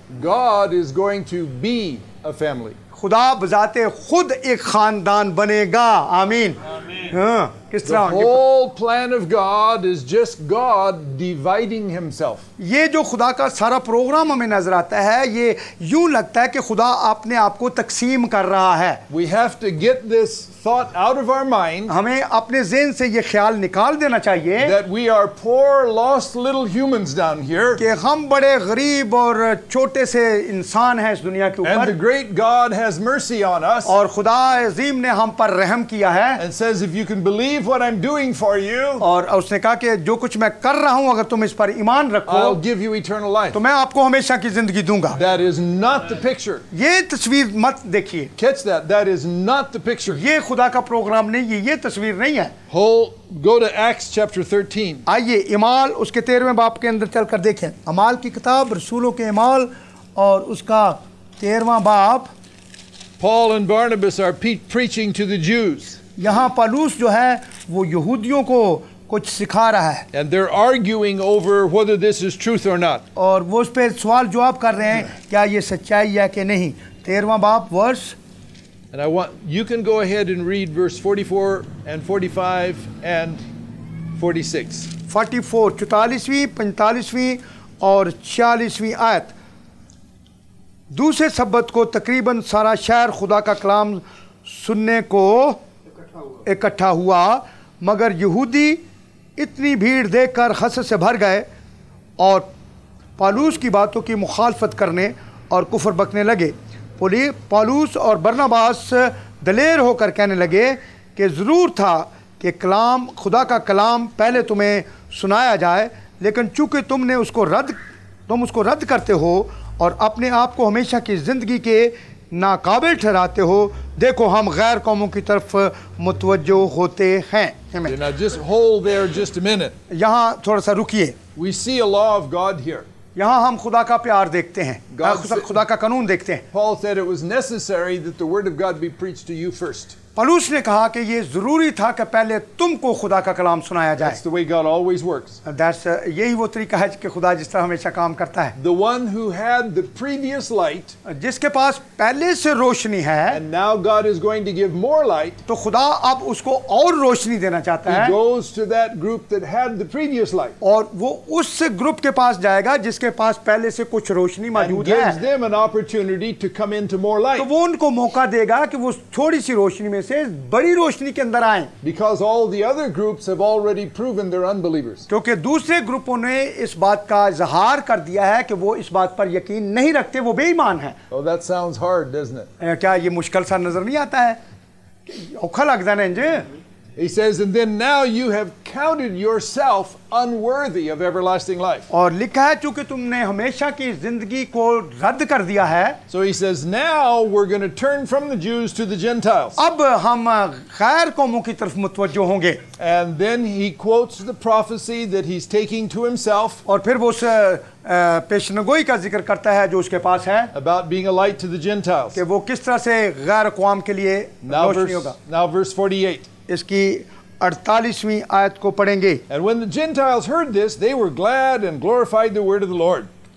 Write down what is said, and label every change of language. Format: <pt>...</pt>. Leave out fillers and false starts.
<en>God is going to be a family.</en> <hi>खुदा बजाते खुद एक खानदान बनेगा. आमीन. किस तरह</hi> <en>The whole plan of God is just God dividing himself.</en> <hi>ये जो खुदा का सारा प्रोग्राम हमें नजर आता है ये यूं लगता है कि खुदा अपने आप को तकसीम कर रहा है.</hi> <en>We have to get this thought out of our mind.</en> <hi>हमें अपने ज़हन से ये ख्याल निकाल देना चाहिए</hi> <en>that we are poor, lost little humans down here.</en> <hi>कि हम बड़े गरीब और छोटे से इंसान हैं इस दुनिया के ऊपर.</hi> <en>And the great God has mercy on us.</en> <hi>और खुदा अज़ीम ने हम पर रहम किया है.</hi> <en>And says if you can believe what I'm doing for you.</en> <hi>और उसने कहा कि जो कुछ मैं कर रहा हूं अगर तुम इस पर ईमान रखो</hi> <en>I'll give you eternal life.</en> <hi>तो मैं आपको हमेशा की जिंदगी दूंगा.</hi> <en>That is not the picture.</en> <hi>ये तस्वीर मत देखिए.</hi> <en>Catch that. That is not the picture.</en> <hi>ये खुदा का प्रोग्राम नहीं है. ये तस्वीर नहीं है.</hi> <en>Go to Acts chapter 13.</en> <hi>आइए इमाल उसके 13वें बाब के अंदर चलकर देखें. अमाल की किताब रसूलों के अमाल और उसका 13वां बाब.</hi> <en>Paul and Barnabas are preaching to the Jews.</en> <hi>यहाँ पालूस जो है वो यहूदियों को कुछ सिखा रहा है.</hi> <en>And they're arguing over whether this is truth or not.</en> <hi>और वो उस पर सवाल जवाब कर रहे हैं क्या ये सच्चाई है कि नहीं. 13वां बाब verse.</hi> <en>And I want you can go ahead and read verse 44 and 45 and 46.</en> <hi>44, 44वीं, 45वीं और 46वीं आयत. दूसरे सब्बत को तकरीबन सारा शहर खुदा का कलाम सुनने को इकट्ठा हुआ मगर यहूदी इतनी भीड़ देखकर हस से भर गए और पालूस की बातों की मुखालफत करने और कुफर बकने लगे. पालूस और बरनबास दलेर होकर कहने लगे कि ज़रूर था कि कलाम खुदा का कलाम पहले तुम्हें सुनाया जाए लेकिन चूँकि तुम उसको रद्द करते हो और अपने आप को हमेशा की ज़िंदगी के नाकाबिल ठहराते हो देखो हम गैर कौमों की तरफ मुतवज्जो होते हैं. यहाँ थोड़ा सा रुकिए.</hi> <en>We see a law of God here.</en> <hi>यहाँ हम खुदा का प्यार देखते हैं. खुदा का कानून देखते हैं.</hi> <en>Paul said it was necessary that the word of God be preached to you first.</en> <hi>Paulus ने कहा कि ये जरूरी था कि पहले तुमको खुदा का कलाम सुनाया जाए.</hi> <en>That's the way God always works.</en> <hi>यही वो तरीका है कि खुदा जिस तरह हमेशा काम करता है.</hi> <en>The one who had the previous light,</en> <hi>जिसके पास पहले से रोशनी है,</hi> <en>and now God is going to give more light,</en> <hi>तो खुदा अब उसको और रोशनी देना चाहता है.</hi> <en>He goes to that group that had the previous light,</en> <hi>और वो उस ग्रुप के पास जाएगा जिसके पास पहले से कुछ रोशनी मौजूद है.</hi> <en>And gives them an opportunity to come into more light.</en> <hi>तो वो उनको मौका देगा कि वो थोड़ी सी रोशनी में बड़ी रोशनी के अंदर आए.</hi> <en>Because all the other groups have already proven they're unbelievers.</en> <hi>क्योंकि दूसरे ग्रुपों ने इस बात का इजहार कर दिया है कि वो इस बात पर यकीन नहीं रखते, वो बेईमान हैं.</hi> <en>Oh, that sounds hard, doesn't it?</en> <hi>क्या ये मुश्किल सा नजर नहीं आता है?</hi> <pa>औखा लगता है ना इंजे?</pa> <en>He says, and then now you have counted yourself unworthy of everlasting life.</en> <hi>और लिखा है क्योंकि तुमने हमेशा की जिंदगी को रद्द कर दिया है.</hi> <en>So he says, now we're going to turn from the Jews to the Gentiles.</en> <hi>अब हम गैर कौमों की तरफ मुतवज्जो होंगे.</hi> <en>And then he quotes the prophecy that he's taking to himself.</en> <hi>और फिर वो उस पेशनगोई का जिक्र करता है जो उसके पास है.</hi> <en>About being a light to the Gentiles.</en> <hi>कि वो किस तरह से गैर कौम के लिए रोशनी होगा.</hi> <en>Now verse 48.</en> <hi>इसकी 48वीं आयत को पढ़ेंगे.</hi> <en>And when the Gentiles heard this, they were glad and glorified the word of the Lord.</en>